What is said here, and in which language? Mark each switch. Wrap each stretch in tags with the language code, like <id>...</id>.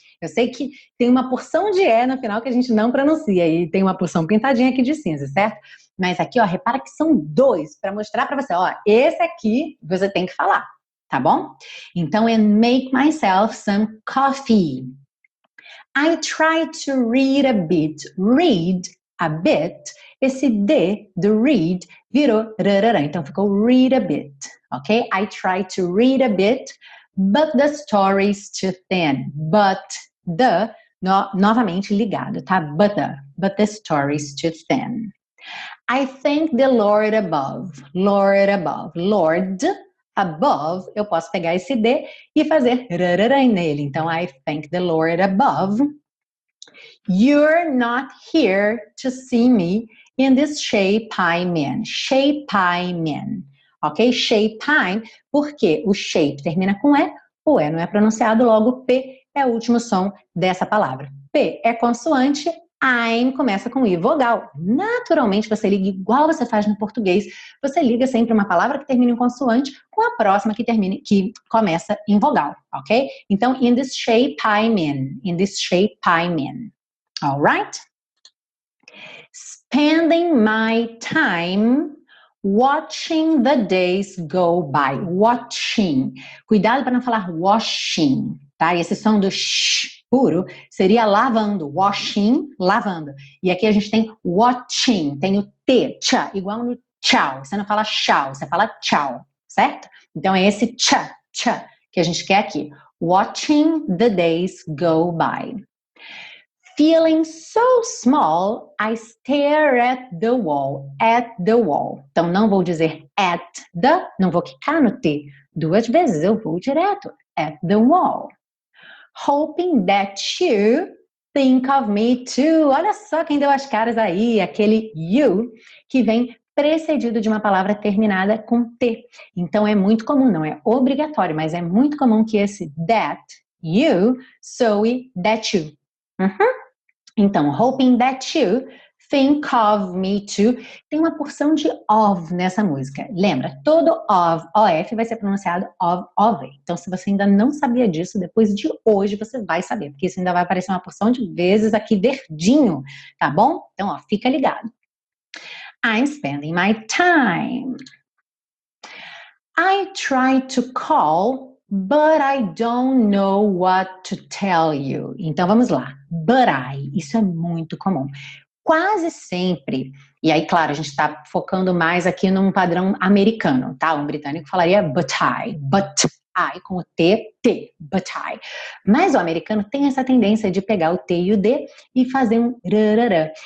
<pt>Eu sei que tem uma porção de E no final que a gente não pronuncia. E tem uma porção pintadinha aqui de cinza, certo? Mas aqui, ó, repara que são dois para mostrar para você. Ó, esse aqui você tem que falar. Tá bom?</pt> <en>Então, and make myself some coffee. I try to read a bit. Read a bit.</en> <pt>Esse D do read virou rarará, então ficou</pt> <en>read a bit,</en> <pt>ok?</pt> <en>I try to read a bit, but the story's too thin. But the,</en> <pt>no, novamente ligado, tá?</pt> <en>But the story's too thin. I thank the Lord above, Lord above. Lord above,</en> <pt>eu posso pegar esse D e fazer rarará nele. Então,</pt> <en>I thank the Lord above. You're not here to see me. In this shape I'm in. Shape I'm in. Ok? Shape I'm.</en> <pt>Porque o shape termina com E. O E não é pronunciado. Logo, P é o último som dessa palavra. P é consoante. I'm começa com I vogal. Naturalmente, você liga igual você faz no português. Você liga sempre uma palavra que termina em consoante com a próxima que termina, que começa em vogal. Ok? Então,</pt> <en>in this shape I'm in. In this shape I'm in. Alright? Spending my time watching the days go by. Watching.</en> <pt>Cuidado para não falar washing, tá? Esse som do sh puro seria lavando. Washing, lavando. E aqui a gente tem watching. Tem o T, tcha, igual no tchau. Você não fala tchau, você fala tchau, certo? Então é esse tcha, tcha que a gente quer aqui.</pt> <en>Watching the days go by. Feeling so small, I stare at the wall, at the wall.</en> <pt>Então, não vou dizer at the, não vou quicar no T duas vezes, eu vou direto,</pt> <en>at the wall. Hoping that you think of me too.</en> <pt>Olha só quem deu as caras aí, aquele you, que vem precedido de uma palavra terminada com T. Então, é muito comum, não é obrigatório, mas é muito comum que esse</pt> <en>that, you,</en> <pt>soe that you. Então,</pt> <en>hoping that you think of me too.</en> <pt>Tem uma porção de of nessa música. Lembra, todo of, O-F, vai ser pronunciado of, of. Então, se você ainda não sabia disso, depois de hoje você vai saber. Porque isso ainda vai aparecer uma porção de vezes aqui verdinho. Tá bom? Então, ó, fica ligado.</pt> <en>I'm spending my time. I try to call, but I don't know what to tell you.</en> <pt>Então, vamos lá.</pt> <en>But I,</en> <pt>isso é muito comum. Quase sempre, e aí, claro, a gente está focando mais aqui num padrão americano, tá? Um britânico falaria</pt> <en>but I,</en> <pt>com o T, T, but I. Mas o americano tem essa tendência de pegar o T e o D e fazer um rarará.</pt>